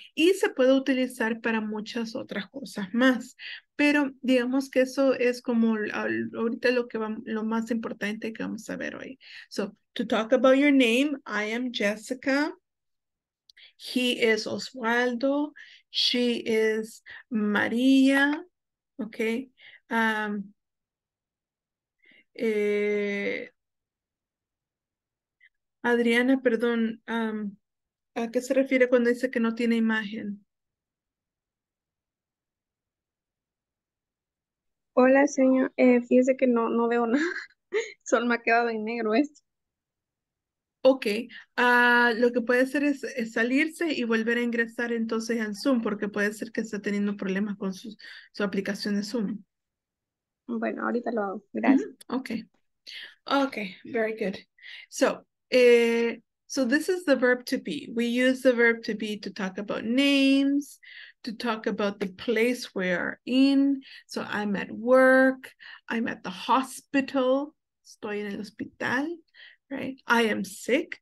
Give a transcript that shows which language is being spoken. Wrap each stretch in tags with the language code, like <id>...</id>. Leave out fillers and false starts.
<es>Y se puede utilizar para muchas otras cosas más. Pero digamos que eso es como ahorita lo más importante que vamos a ver hoy.</es> <en>So, to talk about your name, I am Jessica. He is Oswaldo. She is María, okay.</en> <es>Adriana, perdón, ¿a qué se refiere cuando dice que no tiene imagen? Hola, señor. Fíjese que no veo nada. Solo me ha quedado en negro esto. Ok, lo que puede hacer es salirse y volver a ingresar entonces al Zoom, porque puede ser que esté teniendo problemas con su aplicación de Zoom. Bueno, ahorita lo hago. Gracias.</es> <en>Ok, very good. So, so this is the verb to be. We use the verb to be to talk about names, to talk about the place we are in. So I'm at work, I'm at the hospital,</en> <es>estoy en el hospital.</es> <en>Right. I am sick.</en>